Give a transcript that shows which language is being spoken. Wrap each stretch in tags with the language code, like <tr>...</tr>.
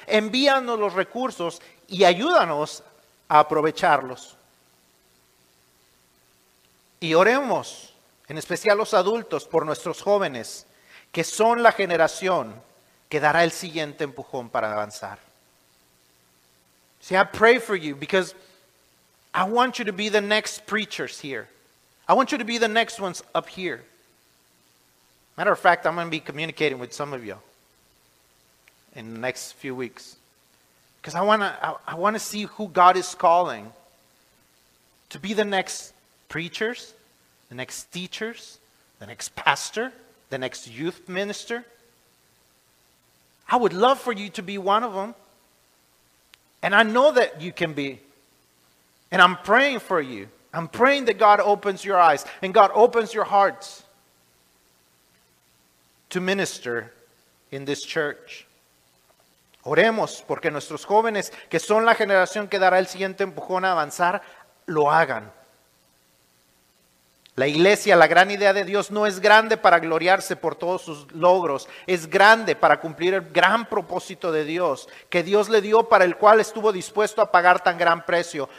<es>Envíanos los recursos y ayúdanos a aprovecharlos. Y oremos, en especial los adultos, por nuestros jóvenes, que son la generación que dará el siguiente empujón para avanzar.</es> <en>See, I pray for you because I want you to be the next preachers here. I want you to be the next ones up here. Matter of fact, I'm going to be communicating with some of you in the next few weeks. Because I want to see who God is calling to be the next preachers, the next teachers, the next pastor, the next youth minister. I would love for you to be one of them. And I know that you can be. And I'm praying for you. I'm praying that God opens your eyes and God opens your hearts to minister in this church.</en> <es>Oremos porque nuestros jóvenes, que son la generación que dará el siguiente empujón a avanzar, lo hagan. La iglesia, la gran idea de Dios, no es grande para gloriarse por todos sus logros. Es grande para cumplir el gran propósito de Dios, que Dios le dio, para el cual estuvo dispuesto a pagar tan gran precio.</es>